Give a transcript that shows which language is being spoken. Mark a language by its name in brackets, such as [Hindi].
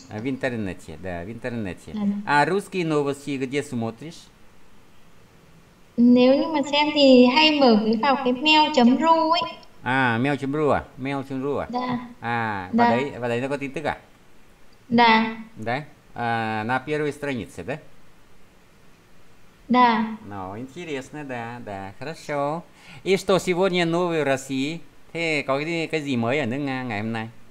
[Russian] В интернете, да, в интернете. Да. А русские новости где смотришь? [Vietnamese] Нếu như mà xem thì hay mở cái vào cái mail.ru ấy. À, mail.ru à? Mail.ru à? [Russian] Да. À, Да. [Vietnamese] vào đấy nó có tin tức à? [Russian] Да. Đấy, à, на первой странице, да? Да. Ну, интересно, да, хорошо. И что, сегодня новый в России? [Vietnamese] Thế có cái gì mới ở nước Nga ngày hôm nay?